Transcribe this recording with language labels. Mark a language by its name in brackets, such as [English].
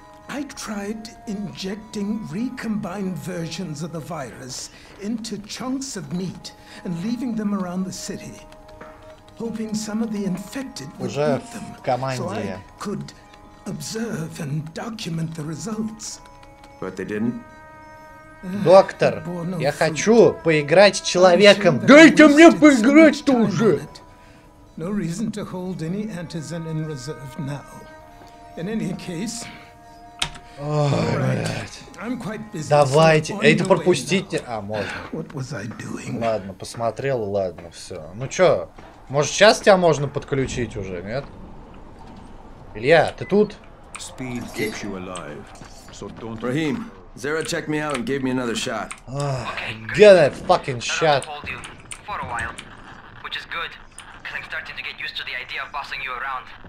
[English] I tried injecting recombined versions of the virus into chunks of meat and leaving them around the city, hoping some of the infected would eat them so I could observe and document the results. But they didn't? [Russian] Доктор, я хочу поиграть с человеком. Дайте мне поиграть-то уже! [English] No reason to hold any antizen in reserve now. In any case... [Russian] Ой, блядь. Давайте, это пропустите. А, можно. Ладно, посмотрел, ладно, все. Ну чё, может сейчас тебя можно подключить уже, нет? Илья, ты тут? [English] Рахим, Zero checked me out and gave me another shot. Get that fucking shot. For a while, which is good, because I'm starting to get used to the idea of bossing you around.